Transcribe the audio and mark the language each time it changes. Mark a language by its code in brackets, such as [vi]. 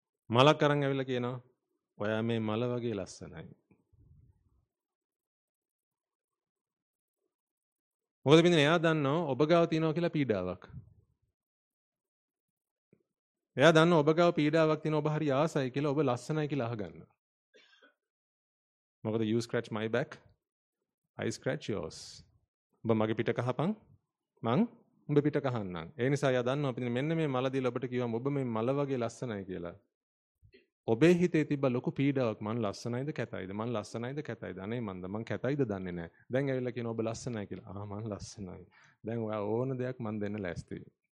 [si] මලක් අරන් ඇවිල්ලා කියනවා ඔයා මේ මල වගේ ලස්සනයි. මොකද පින්වතුනි එයා දන්නවා ඔබ ගාව තියෙනවා කියලා පීඩාවක්. එයා දන්නවා ඔබ ගාව පීඩාවක් තියෙනවා ඔබ හරි ආසයි කියලා ඔබ ලස්සනයි කියලා අහගන්නවා. මොකද [en] you scratch my back I scratch yours. [si] ඔබ මගේ පිට කහපන් මං උඹ පිට කහන්නම්. ඒ නිසා එයා දන්නවා පින්වතුනි මෙන්න මේ මල දීලා ඔබට කිව්වම ඔබ මේ මල වගේ ලස්සනයි කියලා. ඔබේ හිතේ තිබ්බ ලොකු පීඩාවක් මං ලස්සනයිද කැතයිද මං ලස්සනයිද කැතයිද අනේ මන්ද මං කැතයිද දන්නේ නැහැ. දැන් ඇවිල්ලා කියන ඔබ ලස්සනයි කියලා. ආ මං ලස්සනයි. දැන් ඔයා ඕන දෙයක් මං දෙන්න ලෑස්තියි.